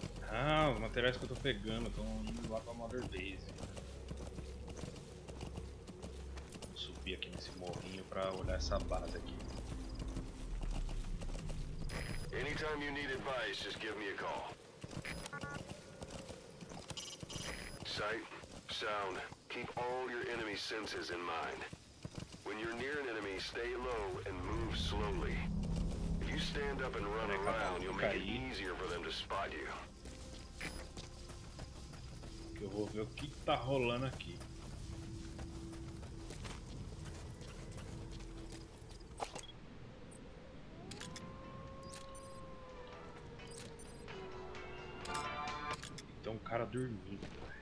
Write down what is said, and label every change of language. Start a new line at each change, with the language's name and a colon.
Portuguese: Ah, os materiais que eu tô pegando estão indo lá pra Mother Base. Vou subir aqui nesse morrinho pra olhar essa base aqui.
English: Anytime you need advice, just give me a call. Sight, sound, keep all your enemy senses in mind. When you're near an enemy, stay low and move slowly. Stand up and run around, you'll make it easier for them to spot you.
Portuguese: eu vou ver o que tá rolando aqui. Tem um cara dormindo.